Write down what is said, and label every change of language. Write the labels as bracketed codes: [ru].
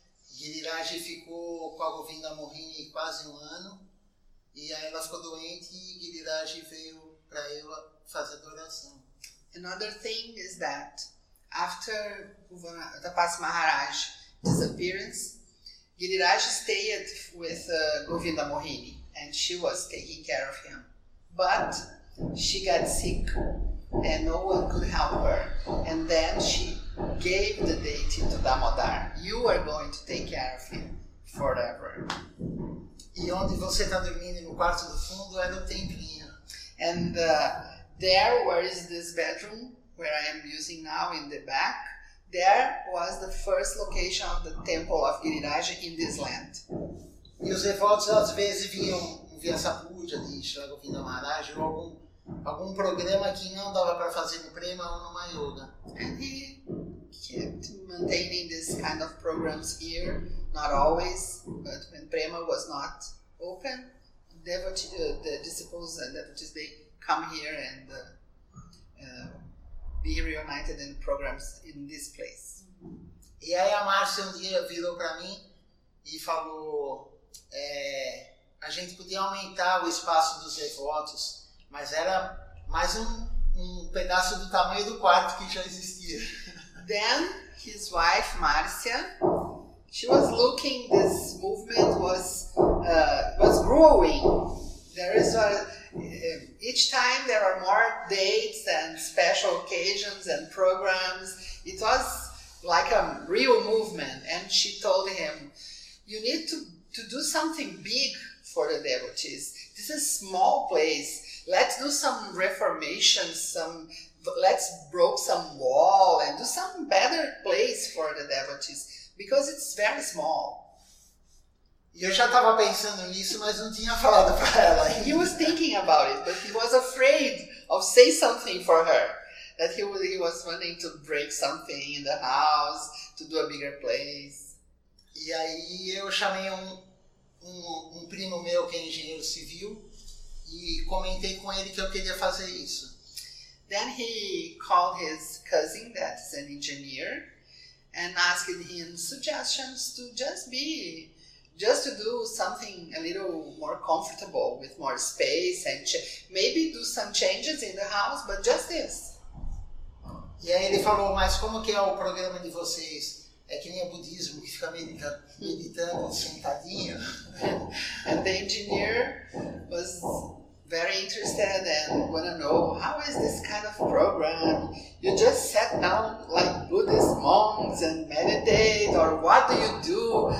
[pt] Giriraj ficou com a Govinda Mohini quase 1 ano. E aí ela ficou doente e Giriraj veio para ela fazer adoração. [en] Another thing is that after Tapasya Maharaj disappearance, Giriraj stayed with Govinda Mohini, and she was taking care of him. But she got sick and no one could help her. And then she gave the deity to Damodar. You are going to take care of him forever. [pt] E onde você tá dormindo no quarto do fundo é no templinho. [en] And there, where is this bedroom, where I am using now in the back, there was the first location of the temple of Giriraj in this land. [pt] E os devotos às vezes vinham ver essa puja de Shila Govinda Maharaj ou algum programa que não dava para fazer no prema ou numa yoga. [en] And he kept maintaining this kind of programs here, not always, but when prema was not open, the disciples and devotees, they come here and be reunited in programs in this place. [pt] E aí a Márcia um dia virou para mim e falou, a gente podia aumentar o espaço dos devotos, mas era mais um pedaço do tamanho do quarto que já existia. [en] Then his wife Marcia, she was looking, this movement was growing. There is each time there are more dates and special occasions and programs. It was like a real movement, and she told him, you need to do something big for the devotees. This is a small place. Let's do some reformation, let's broke some wall and do some better place for the devotees, because it's very small. [pt] Eu já estava pensando nisso, mas não tinha falado para ela. [en] He was thinking about it, but he was afraid of say something for her. That he was wanting to break something in the house, to do a bigger place. [pt] E aí eu chamei um primo meu que é engenheiro civil e comentei com ele que eu queria fazer isso. [en] Then he called his cousin that is an engineer and asked him suggestions to just to do something a little more comfortable with more space and maybe do some changes in the house, but just this. [pt] E aí ele falou, mas como que é o programa de vocês? É que nem o budismo, que fica meditando sentadinho. [en] And the engineer was very interested and want to know, how is this kind of program? You just sat down like Buddhist monks and meditate, or what do you do?